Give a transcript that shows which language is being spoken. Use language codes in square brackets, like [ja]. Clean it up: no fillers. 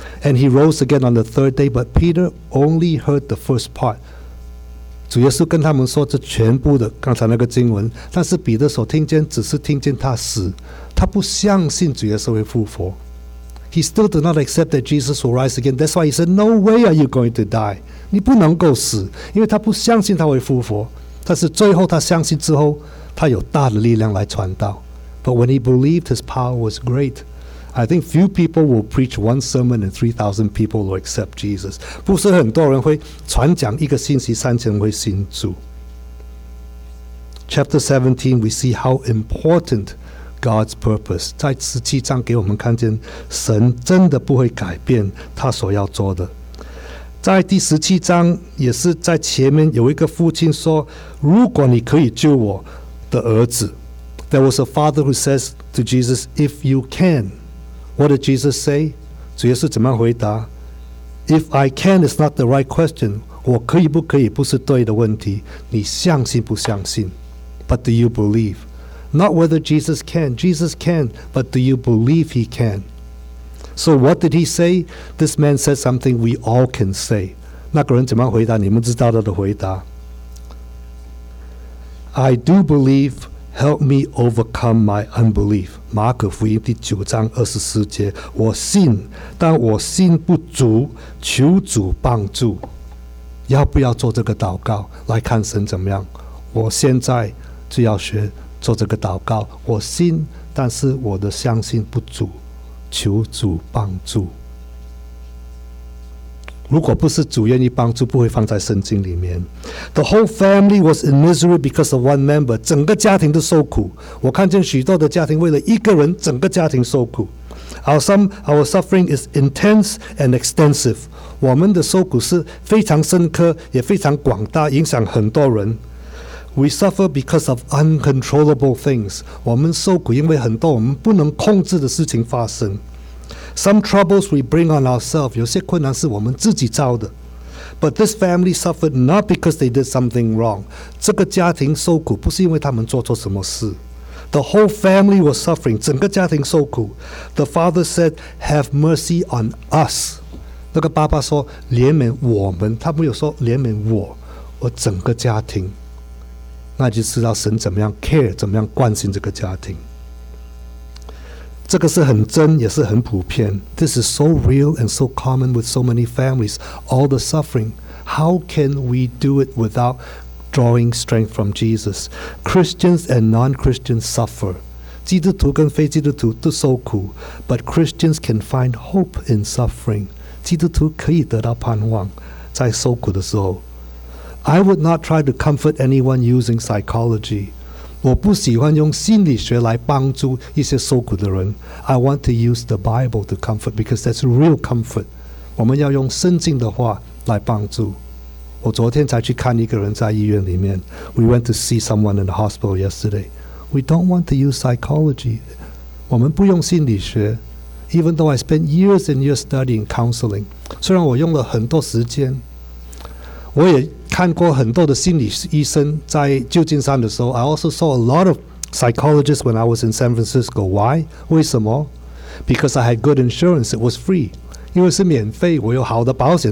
[en] And he rose again on the third day, but Peter only heard the first part. [zh] 主耶稣跟他们说这全部的刚才那个经文，但是彼得所听见只是听见他死，他不相信主耶稣会复活。 [en] He still did not accept that Jesus will rise again. That's why he said, No way are you going to die. [zh] 你不能够死，因为他不相信他会复活。但是最后他相信之后，他有大的力量来传道。 [en] But when he believed, his power was great. I think few people will preach one sermon and 3,000 people will accept Jesus. [zh] 不是很多人会传讲一个信息，三千人会信主。 [en] Chapter 17, we see how important God's purpose. [zh] 在十七章给我们看见神真的不会改变他所要做的。在第十七章也是在前面有一个父亲说，如果你可以救我的儿子。 [en] There was a father who says to Jesus, If you can. What did Jesus say? [zh] 主耶稣怎么回答？ [en] If I can is not the right question. [zh] 我可以不可以不是对的问题，你相信不相信？ [en] But do you believe? Not whether Jesus can, but do you believe he can? So what did he say? This man said something we all can say. [zh] 那个人怎么回答？你们知道他的回答。 [en] I do believe, help me overcome my unbelief. [zh] 马可福音第九章二十四节，我信，但我信不足，求主帮助。要不要做这个祷告，来看神怎么样。我现在就要学做这个祷告，我信，但是我的相信不足，求主帮助。如果不是主愿意帮助，不会放在圣经里面。 [en] The whole family was in misery because of one member. [zh] 整个家庭都受苦。我看见许多的家庭为了一个人，整个家庭受苦。 [en] Our suffering is intense and extensive. [zh] 我们的受苦是非常深刻，也非常广大，影响很多人。 [en] We suffer because of uncontrollable things. [zh] 我们受苦因为很多我们不能控制的事情发生。 [en] Some troubles we bring on ourselves. [zh] 有些困难是我们自己造的。 [en] But this family suffered not because they did something wrong. [zh] 这个家庭受苦不是因为他们做错什么事。 [en] The whole family was suffering. [zh] 整个家庭受苦。 [en] The father said, "Have mercy on us." [zh] 那个爸爸说，怜悯我们。他没有说怜悯我，我整个家庭。那就知道神怎么样 care， 怎么样关心这个家庭。这个是很真，也是很普遍。 [en] This is so real and so common with so many families. All the suffering. How can we do it without drawing strength from Jesus? Christians and non-Christians suffer. [zh] 基督徒跟非基督徒都受苦。 [en] But Christians can find hope in suffering. [zh] 基督徒可以得到盼望在受苦的时候。 [en] I would not try to comfort anyone using psychology. [zh] 我不喜欢用心理学来帮助一些受苦的人。 [en] I want to use the Bible to comfort because that's real comfort. [zh] 我们要用圣经的话来帮助。我昨天才去看一个人在医院里面。 [en] We went to see someone in the hospital yesterday. We don't want to use psychology. [zh] 我们不用心理学。 [en] Even though I spent years and years studying counseling. [zh] 虽然我用了很多时间，我也看过很多的心理医生。在旧金山的时候 [en] I also saw a lot of psychologists when I was in San Francisco. Why? [zh] 为什么？ [en] Because I had good insurance. It was free. [zh] 因为是免费，我有好的保险。